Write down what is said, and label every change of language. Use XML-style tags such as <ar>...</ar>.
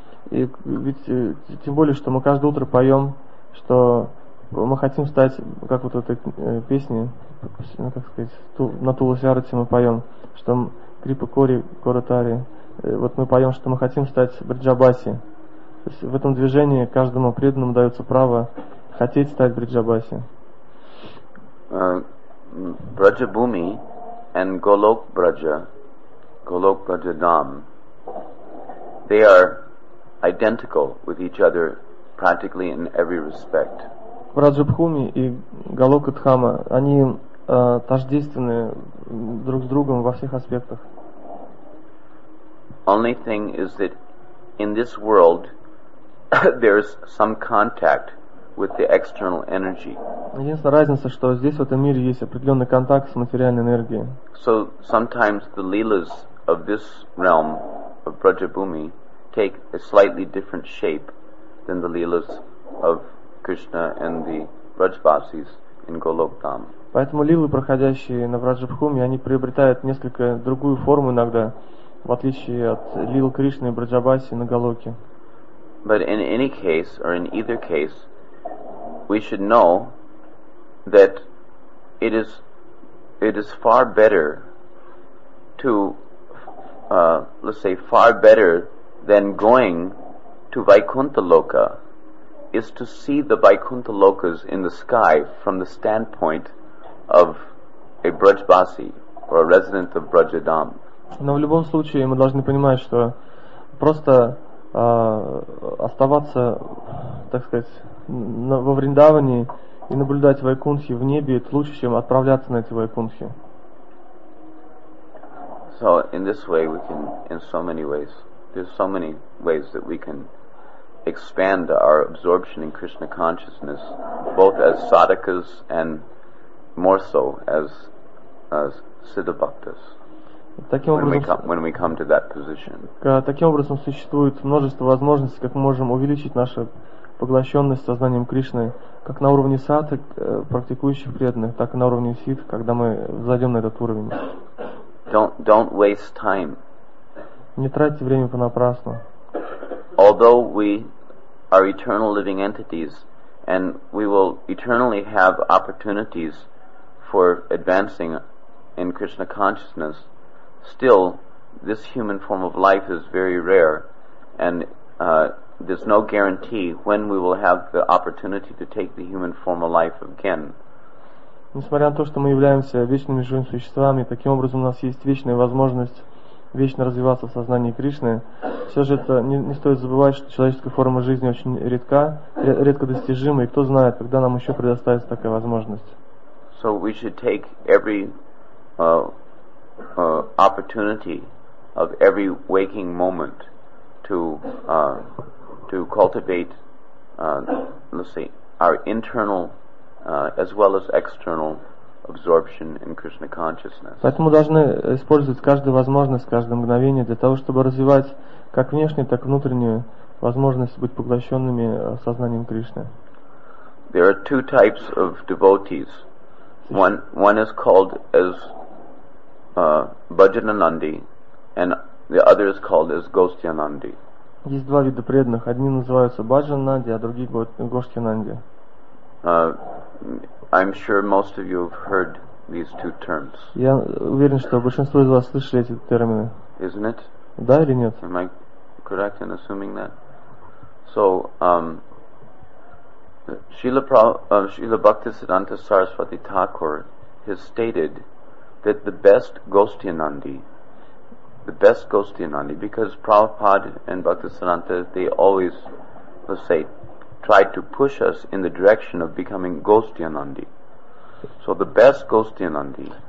<ru>И ведь тем более, что мы каждое утро поем, что мы хотим стать, как вот в этой песне, ну, как сказать, на Тулусярате мы поем, что Крипа Кори, Коротари, вот мы поем, что мы хотим стать Бриджабаси. То есть в этом движении каждому преданному дается право хотеть стать Бриджабаси.</ru> <en>Браджабуми and Golok Braja, Golok Braja Dham, they are identical with each other practically in every respect.</en> <ru>Браджабхуми и Голока Дхама, они тождественны друг с другом во всех аспектах.</ru> <en>Only thing is that in this world there's some contact with the external energy.</en> <ru>Единственная разница, что здесь в этом мире есть определенный контакт с материальной энергией.</ru> <en>So sometimes the leelas of this realm of Brajabhumi take a slightly different shape than the leelas of Krishna and the Brajbasis in Golok Dham.</en> <ru>Поэтому лилы, проходящие на Браджабхуми, они приобретают несколько другую форму иногда, в отличие от лил Кришны и Браджабаси на Голоке.</ru> <en>But in any case, or in either case, we should know that it is far better to let's say far better than going to Vaikuntha Loka is to see the Vaikuntha Lokas in the sky from the standpoint of a Brajbasi or a resident of Brajadham.</en> <ru>Но в любом случае мы должны понимать, что просто оставаться, так сказать, во Вриндаване и наблюдать Вайкунтхи в небе, это лучше, чем отправляться на эти Вайкунтхи.</ru> <en>So in this way we can, in so many ways, there's so many ways that we can expand our absorption in Krishna consciousness, both as sadhakas and more so as siddha bhaktas.</en> <ru>Таким образом,</ru> <en>when we come to that position.</en> <ru>Таким образом существует множество возможностей, как мы можем увеличить нашу поглощенность сознанием Кришны, как на уровне садхак, практикующих преданных, так и на уровне сиддх, когда мы взойдем на этот уровень.</ru> <en>Don't waste time.</en> <ru>Не тратьте время понапрасну.</ru> <en>Although we are eternal living entities, and we will eternally have opportunities for advancing in Krishna consciousness, still, this human form of life is very rare, and there's no guarantee when we will have the opportunity to take the human form of life again.</en> <ru>Несмотря на то, что мы являемся вечными живыми существами, таким образом у нас есть вечная возможность вечно развиваться в сознании Кришны, все же это не стоит забывать, что человеческая форма жизни очень редка, редко достижима, и кто знает, когда нам еще предоставится такая возможность.</ru> <en>So we should take every opportunity of every waking moment to cultivate let's say our internal as well as external absorption in Krishna consciousness.</en> <ru>Поэтому должны использовать каждую возможность, каждое мгновение для того, чтобы развивать как внешнюю, так и внутреннюю возможность быть поглощенными сознанием Кришны.</ru> <en>There are two types of devotees. One is called as Bhajananandi, and the other is called as Gostyanandi.</en> <ru>Есть два вида преданных. Одни называются Bhajananandi, а другие Gostyanandi.</ru> <en>I'm sure most of you have heard these two terms.</en> <ru>Я уверен, что большинство из вас слышали эти термины.</ru> <en>Isn't it?</en> <ru>Да или нет?</ru> <en>Am I correct in assuming that? So, Srila Bhaktisiddhanta Saraswati Thakur has stated that the best Gostyanandi, because Prabhupada and Bhaktisiddhanta, they always, let's say, try to push us in the direction of becoming Gostyanandi. So the best Gostyanandi</en>